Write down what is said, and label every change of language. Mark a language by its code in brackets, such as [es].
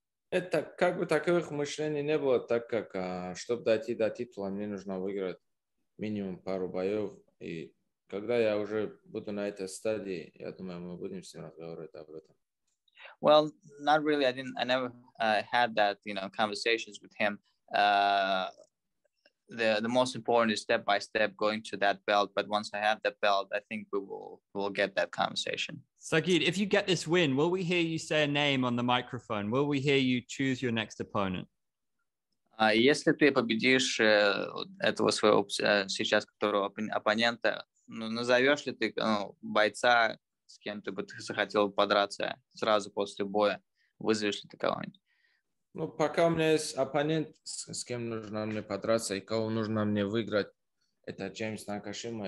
[ru] Это как бы таковых мышлений не было, так как, чтобы дойти до титула, мне нужно выиграть минимум пару боев. И когда я уже буду на этой стадии, я думаю, мы будем с ним разговаривать об этом. [en] Well, not really. I never had that, conversations with him. The most important is step by step going to that belt. But once I have that belt, I think we'll get that conversation. Saygid, if you get this win, will we hear you say a name on the microphone? Will we hear you choose your next opponent? [ru] Если ты победишь этого своего сейчас которого оппонента, назовешь ли ты бойца, с кем ты бы захотел подраться сразу после боя, вызовешь ли ты кого-нибудь? Ну, пока у меня есть оппонент, с кем нужно мне подраться и кого нужно мне выиграть, это Джеймс Накашима.